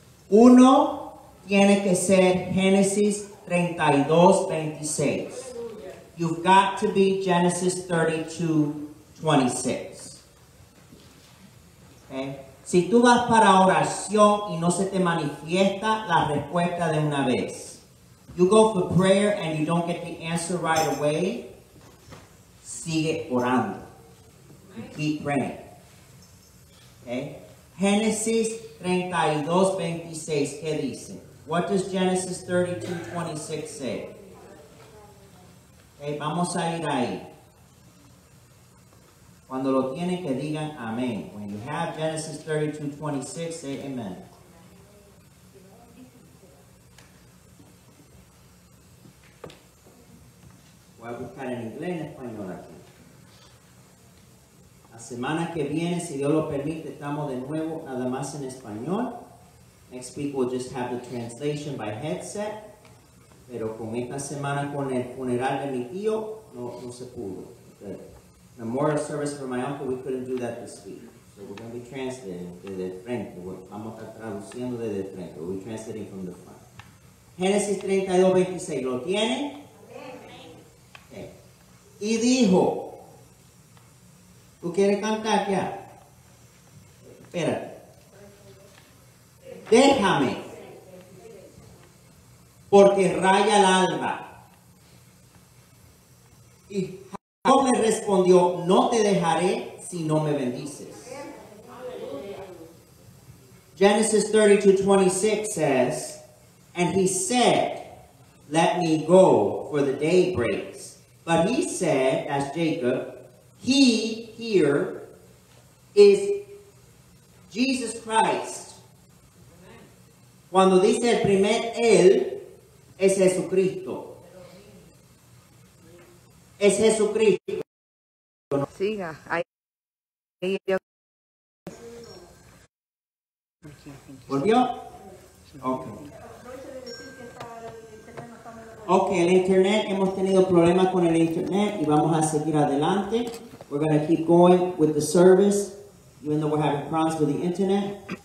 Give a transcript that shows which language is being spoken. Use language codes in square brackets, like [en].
[es] Uno tiene que ser Génesis 32, 26. [en] You've got to be Genesis 32, 26. Okay. [es] Si tú vas para oración y no se te manifiesta la respuesta de una vez. [en] You go for prayer and you don't get the answer right away. [es] Sigue orando. [en] You keep praying. Okay. [es] Genesis 32, 26. ¿Qué dice? [en] What does Genesis 32, 26 say? Okay, [es] vamos a ir ahí. Cuando lo tienen, que digan amén. [en] When you have Genesis 32, 26, say amen. [es] Voy a buscar en inglés y en español aquí. La semana que viene, si Dios lo permite, estamos de nuevo nada más en español. [en] Next week we'll just have the translation by headset. [es] Pero con esta semana, con el funeral de mi tío, no se pudo. [en] Okay. Memorial service for my uncle, we couldn't do that this week. So we're going to be translating [es] desde frente. Vamos a estar traduciendo desde frente. [en] We're translating from the front. Génesis 32, 26. [es] ¿Lo tienen? Okay. Y dijo. ¿Tú quieres cantar ya? Espérate. Déjame. Porque raya el alba. Y Jacob le respondió, no te dejaré si no me bendices. [en] Genesis 32, 26 says, and he said, let me go for the day breaks. But he said, as Jacob, he here is Jesus Christ. [es] Cuando dice el primer él, es Jesucristo. Es Jesucristo. Siga. Ahí. ¿Volvió? Ok. Ok, el internet. Hemos tenido problemas con el internet y vamos a seguir adelante. [en] We're going to keep going with the service, even though we're having problems with the internet.